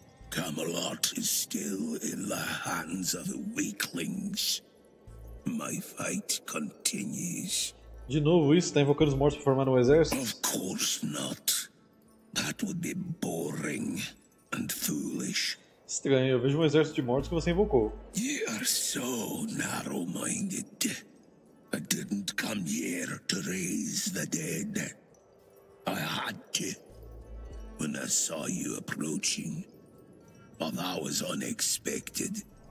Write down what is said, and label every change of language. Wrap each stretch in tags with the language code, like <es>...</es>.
<en>Camelot is still in the hands of the weaklings. My fight continues.</en> <pt>De novo isso? Está invocando os mortos para formar um exército?</pt> <en>Of course not. That would be boring and foolish.</en> <pt>Estranho, eu vejo um exército de mortos que você invocou.</pt> <en>You are so narrow-minded. I didn't come here to raise the dead. I had to. When I saw you approaching, but that was unexpected.</en>